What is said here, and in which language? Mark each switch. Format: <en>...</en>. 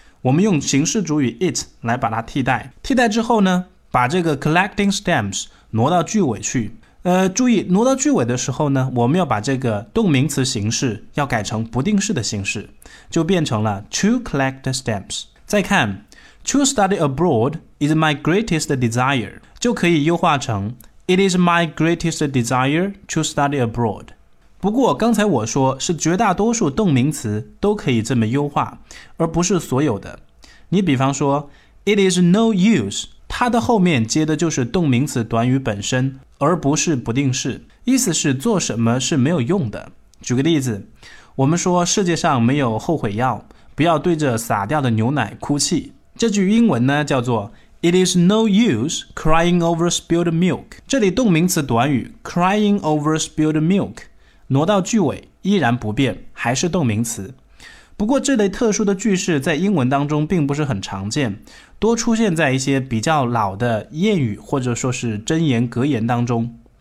<zh>我们用形式主语 it 来把它替代。替代之后呢，把这个</zh> <en>collecting stamps</en> <zh>挪到句尾去。注意，挪到句尾的时候呢，我们要把这个动名词形式要改成不定式的形式，就变成了</zh> <en>to collect the stamps。</en> <zh>再看</zh> <en>to study abroad is my greatest desire，</en> <zh>就可以优化成</zh> <en>it is my greatest desire to study abroad。</en> <zh>不过刚才我说是绝大多数动名词都可以这么优化，而不是所有的。你比方说</zh> <en>it is no use，</en> <zh>它的后面接的就是动名词短语本身，而不是不定式，意思是做什么是没有用的。举个例子，我们说世界上没有后悔药，不要对着洒掉的牛奶哭泣。这句英文呢叫做</zh> <en>It is no use crying over spilled milk。</en> <zh>这里动名词短语</zh> <en>crying over spilled milk</en> <zh>挪到句尾依然不变，还是动名词。不过这类特殊的句式在英文当中并不是很常见，多出现在一些比较老的谚语或者说是箴言格言当中。</zh>